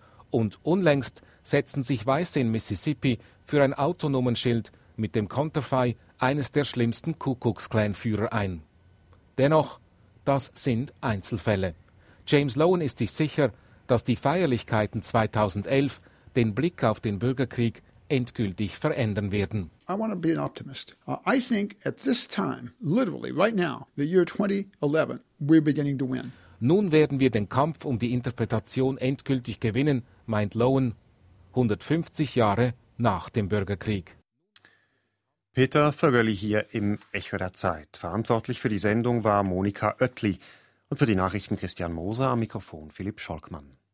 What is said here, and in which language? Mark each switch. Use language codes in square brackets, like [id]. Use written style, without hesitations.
[de] Und unlängst setzten sich Weiße in Mississippi für ein Autonummernschild mit dem Konterfei eines der schlimmsten Ku Klux Klan-Führer ein. Dennoch, das sind Einzelfälle. James Lowen ist sich sicher, dass die Feierlichkeiten 2011 den Blick auf den Bürgerkrieg endgültig verändern werden. [en] I want to be an optimist. I think at this time, literally right now, the year 2011, we're beginning to win. [de] Nun werden wir den Kampf um die Interpretation endgültig gewinnen, meint Lowen, 150 Jahre nach dem Bürgerkrieg. Peter Vögerli hier im Echo der Zeit. Verantwortlich für die Sendung war Monika Oetli und für die Nachrichten Christian Moser, am Mikrofon Philipp Scholkmann.